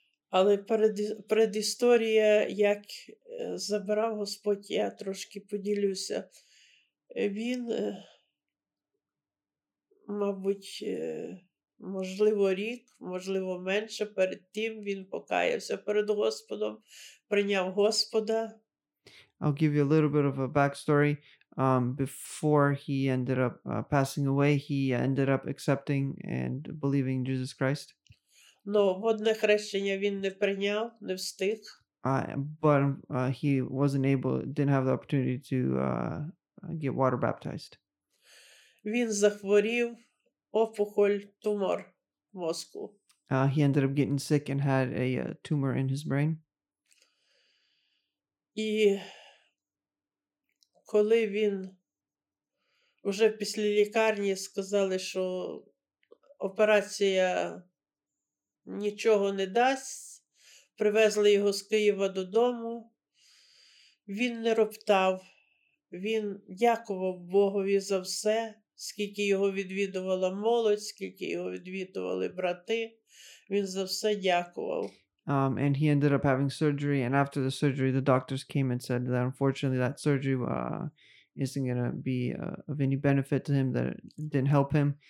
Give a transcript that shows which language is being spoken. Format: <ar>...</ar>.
<uk>Але перед історія, як забирав Господь, я трошки поділюся. Він, мабуть, можливо, рік, можливо, менше, перед тим він покаявся перед Господом, прийняв Господа.</uk> <en>I'll give you a little bit of a backstory. Before he ended up passing away, he ended up accepting and believing Jesus Christ.</en> <uk>Ну, водне хрещення він не прийняв, не встиг.</uk> <en>He wasn't able, didn't have the opportunity to get water baptized.</en> <uk>Він захворів, опухоль, тумор в мозку.</uk> <en>He ended up getting sick and had a tumor in his brain.</en> <uk>І коли він вже після лікарні сказали, що операція нічого не дасть, привезли його з Києва додому, він не роптав. Він дякував Богові за все, скільки його відвідувала молодь, скільки його відвідували брати. Він за все дякував.</uk> <en>And he ended up having surgery, and after the surgery, the doctors came and said that unfortunately that surgery isn't going to be of any benefit to him, that it didn't help him.</en>